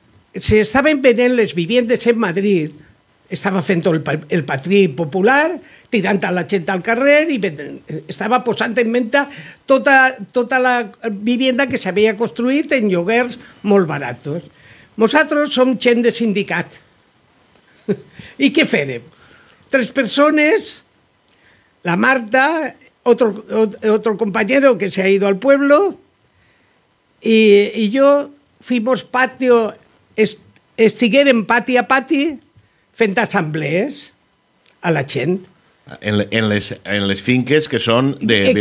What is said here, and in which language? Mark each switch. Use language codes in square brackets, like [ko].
[ca] Se estaven venent les vivendes en Madrid, estava fent el Partit Popular, tirant la gent al carrer i estava posant en venda tota la vivienda que s'havia construït en lloguers molt barats. Nosaltres som gent de sindicat. I què fèrem? Tres persones, la Marta, [es] otro compañero que se ha ido al pueblo, y yo fuimos patio, [ca] estiguérem pati a pati fent assemblees a la gent. En les finques que són de vivenda pública.